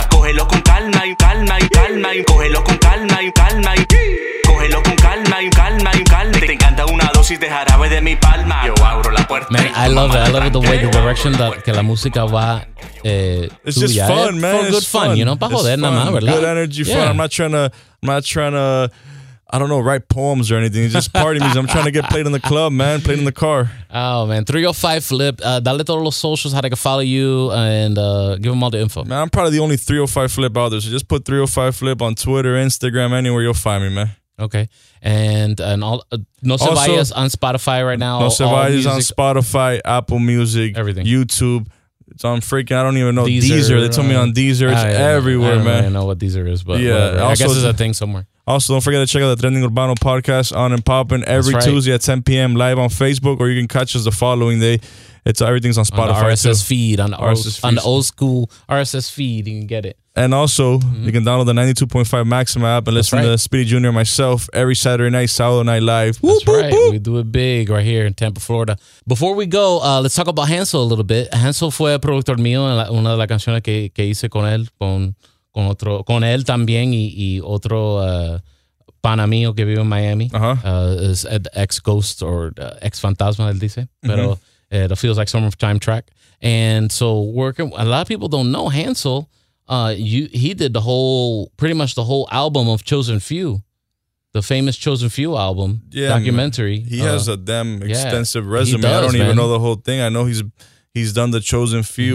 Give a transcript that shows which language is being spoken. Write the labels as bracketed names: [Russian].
[Spanish] Cógelo con calma y calma y calma y cógelo con calma y calma y cógelo con calma y calma y calma. Te encanta una dosis de jarabe de mi palma. Yo abro la puerta. [English] Man, I love it. I love it the way the direction that [Spanish] que la música va. [English] It's just fun, man. For good fun, you know? [Spanish] Pa joder, nada más, ¿verdad? [English] Good energy, fun. Yeah. I'm not trying to. I don't know, write poems or anything. It's just party music. I'm trying to get played in the club, man. Played in the car. Oh, man. 305 Flip. [Spanish] Dale todos los socials, [English] how they can follow you, and give them all the info. Man, I'm probably the only 305 Flip out there. So just put 305 Flip on Twitter, Instagram, anywhere. You'll find me, man. Okay. And all No Se Vayas on Spotify right now. No Se Vayas on Spotify, Apple Music, everything. YouTube. So I'm freaking, I don't even know. Deezer. They told me on Deezer. It's everywhere, man. I don't really know what Deezer is, but yeah. Also, I guess it's a thing somewhere. Also, don't forget to check out the Trending Urbano podcast on and popping every Tuesday at 10 p.m. live on Facebook, or you can catch us the following day. Everything's on Spotify. On the RSS too. Feed, on the RSS feed. On the old school RSS feed, you can get it. And also, you can download the 92.5 Maxima app and listen to Speedy Jr. and myself every Saturday night, Saturday night live. That's We do it big right here in Tampa, Florida. Before we go, let's talk about Hansel a little bit. [Spanish] Hansel fue productor mío en una de las canciones que hice con él, con él también y otro pana mío que vive en Miami. Es ex-ghost or ex-fantasma, él dice. [English] Pero it feels like Summer of Time track. And so working, a lot of people don't know Hansel. He did the whole, pretty much the whole album of Chosen Few, the famous Chosen Few album documentary. Man. He has a damn extensive resume. I don't even know the whole thing. I know he's done the Chosen Few.